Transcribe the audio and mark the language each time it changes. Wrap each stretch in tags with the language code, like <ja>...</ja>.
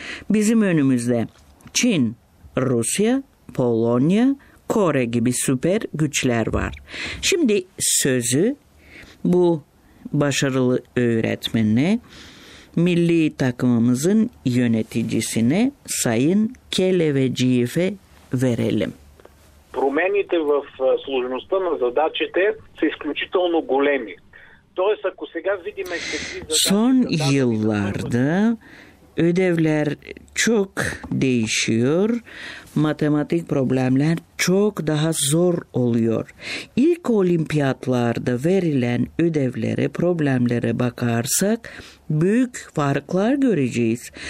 <tr>Bizim önümüzde Çin, Rusya, Polonya, Kore gibi süper güçler var. Şimdi sözü bu başarılı öğretmenine, milli takımımızın yöneticisine Sayın Kelevejiev'e verelim.</tr> <bg>Промените в сложността на задачите са изключително големи. Тоест ако сега видим</bg> <tr>Son yıllarda ödevler çok değişiyor. Matematik problemler çok daha zor oluyor. İlk olimpiyatlarda verilen ödevlere, problemlere bakarsak büyük farklar göreceğiz.</tr>